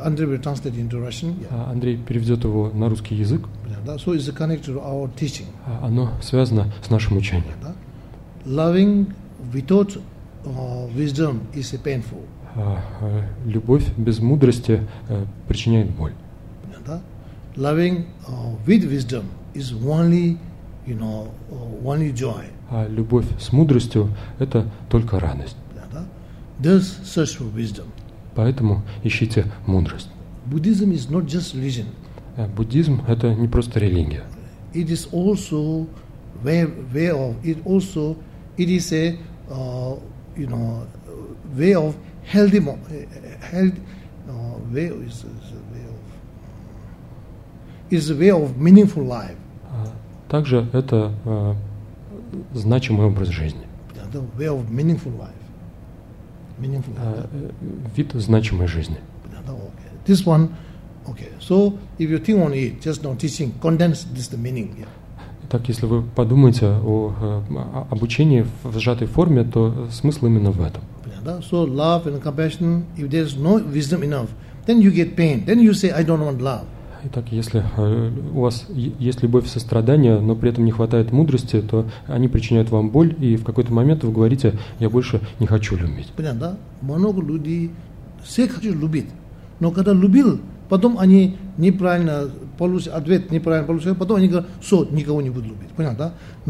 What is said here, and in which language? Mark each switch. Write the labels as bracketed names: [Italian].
[English] Andrey will translate into Russian. Yeah. [Russian] Андрей переведет его на русский язык. [English] Yeah, that, so it's connected to our teaching. [Russian] Оно связано с нашим учением. [English] Yeah, loving without wisdom is painful. [Russian] Любовь без мудрости причиняет боль. [English] Yeah, loving with wisdom is only, you know, only joy. [Russian] А любовь с мудростью — это только радость. [English] Yeah, thus search for wisdom. [Russian] Поэтому ищите мудрость. [English] Buddhism is not just religion. [Russian] Буддизм — это не просто религия. [English] It is also way of, it also it is a you know, way of healthy way of meaningful life. [Russian] Также это значимый образ жизни. [English] The way of meaningful life. Meaningful life. [Russian] Вид значимой жизни. [English] This one. Okay, so if you think on it, just now teaching, condense this the meaning. Yeah. [Russian] Итак, если вы подумаете о обучении в сжатой форме, то смысл именно в этом. [English] Yeah, so love and compassion, if there's no wisdom enough, then you get pain. Then you say, I don't want love. [Russian] Итак, если у вас есть любовь и сострадание, но при этом не хватает мудрости, то они причиняют вам боль, и в какой-то момент вы говорите, я больше не хочу любить. Понятно, да? Много людей все хотят любить, но когда любил, потом они неправильно получат ответ, неправильно получат, потом они говорят, что никого не будут любить. Понятно, да?